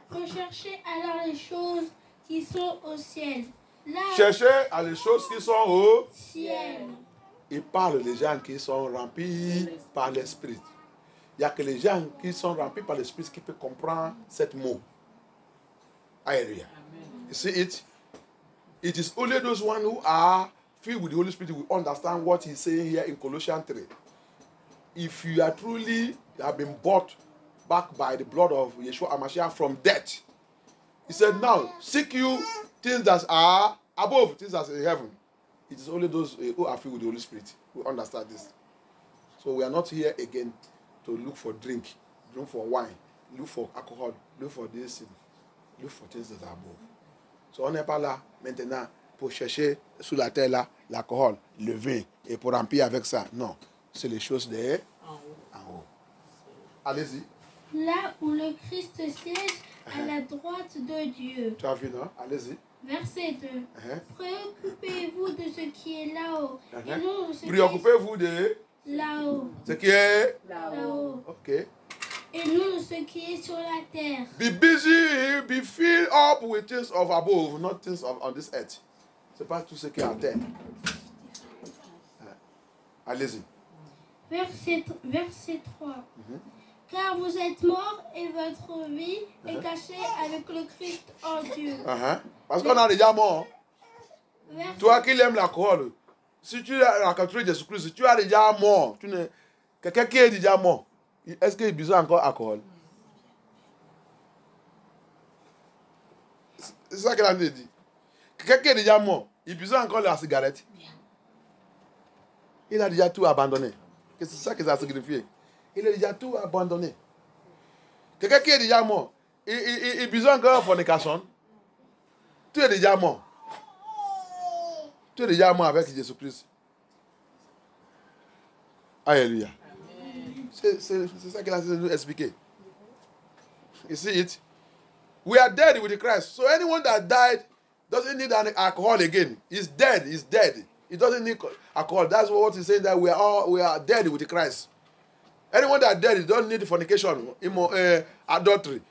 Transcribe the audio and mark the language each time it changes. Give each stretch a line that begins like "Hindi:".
French: Recherchez alors les choses qui sont au ciel. Là, cherchez à les choses qui sont au ciel. Il parle des gens qui sont remplis par l'Esprit. Il n'y a que les gens qui sont remplis par l'Esprit qui peuvent comprendre cet mot. Alléluia. Amen.
English: You see it? It is only those ones who are filled with the Holy Spirit who understand what he's saying here in Colossians 3. If you are truly you have been bought back by the blood of Yeshua HaMashiach from death, he said, now seek you things that are above, things that are in heaven. It is only those who are filled with the Holy Spirit who understand this. So we are not here again to look for drink for wine, look for alcohol, look for this, look for things that are above.
French: So on n'est pas là maintenant pour chercher sous la terre là l'alcohol, le vin et pour remplir avec ça. Non. C'est les choses de en haut. Allez-y. Là où le Christ siège à la droite de Dieu. Tu as vu, non? Allez-y. Verset 2. Préoccupez-vous de ce qui est là-haut. Et non, préoccupez-vous de là-haut. Ce qui est là-haut. Ok. Et non, ce qui est sur la terre.
English: Be busy, be filled up with things of above, not things of on this earth.
French: C'est pas tout ce qui est en terre. Allez-y. Verset 3. Car vous êtes mort et votre vie est cachée avec le Christ en Dieu. Parce qu'on est déjà mort. Toi qui aimes l'alcool, si tu as rencontré Jésus-Christ, tu es déjà mort. Tu ne... Quelqu'un qui est déjà mort, est-ce qu'il a besoin encore d'alcool? C'est ça qu'il a dit. Quelqu'un qui est déjà mort, il a besoin encore de la cigarette. Il a déjà tout abandonné. C'est ça que ça signifie. Il a déjà tout abandonné. Quelqu'un qui est déjà mort, il a besoin encore de fornication. Tu es déjà mort. Tu es déjà mort avec Jésus-Christ. Alléluia. C'est ça qu'il a essayé de nous expliquer.
English: You see it? We are dead with Christ. So anyone that died doesn't need an alcohol again. He's dead. He's dead. It doesn't need alcohol. That's what he's saying, that we are dead with Christ. Anyone that dead, he don't need fornication, adultery.